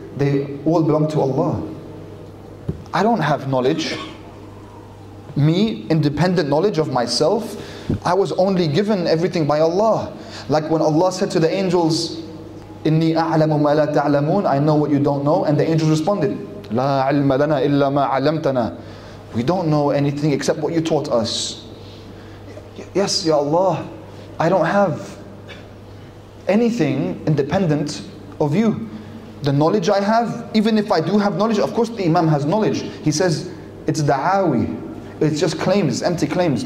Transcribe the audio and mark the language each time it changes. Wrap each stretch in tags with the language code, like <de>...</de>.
<en>They all belong to Allah. I don't have knowledge. Me, independent knowledge of myself, I was only given everything by Allah. Like when Allah said to the angels,</en> <ar>إِنِّي أَعْلَمُ مَا لَا تَعْلَمُونَ,</ar> <en>I know what you don't know. And the angels responded,</en> <ar>لَا عِلْمَ لَنَا إِلَّا مَا عَلَّمْتَنَا.</ar> <en>We don't know anything except what you taught us. Yes, Ya Allah, I don't have anything independent of you. The knowledge I have, even if I do have knowledge, of course the Imam has knowledge. He says, it's da'awi. It's just claims, empty claims.</en>